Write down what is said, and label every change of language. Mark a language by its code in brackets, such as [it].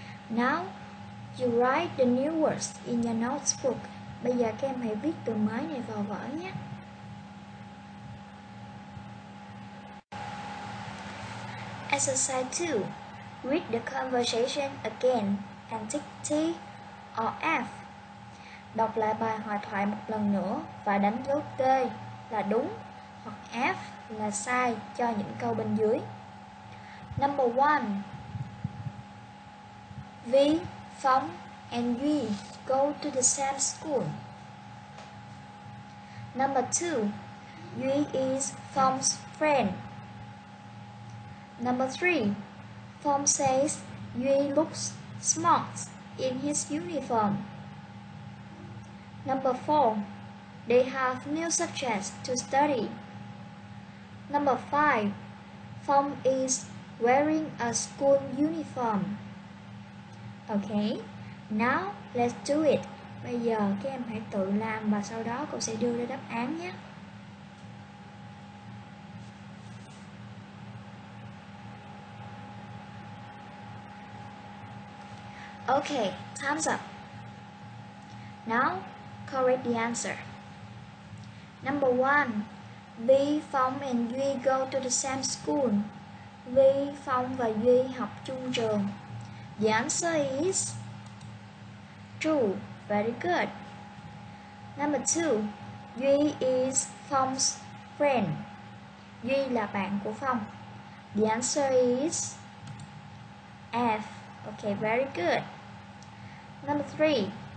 [en] Now you write the new words in your notebook. [vi] Bây giờ các em hãy viết từ mới này vào vở nhé. [en] Exercise 2. Read the conversation again and tick T or F. [vi] Đọc lại bài hội thoại một lần nữa và đánh dấu T là đúng hoặc F là sai cho những câu bên dưới. [en] Number 1. Vi, Phong and Duy go to the same school. Number 2. Duy is Phong's friend. Number 3. Phong says Duy looks smart in his uniform. Number 4. They have new subjects to study. Number 5. Phong is wearing a school uniform. Okay, now let's do it. [vi] Bây giờ các em hãy tự làm và sau đó cô sẽ đưa ra đáp án nhé. [en] Okay, time's up. Now, correct the answer. Number 1. Vi, Phong and Duy go to the same school. [vi] Vi, Phong và Duy học chung trường. [en] The answer is true. Very good. Number 2. Duy is Phong's friend. [vi] Duy là bạn của Phong. [en] The answer is F. Okay, very good. Number 3.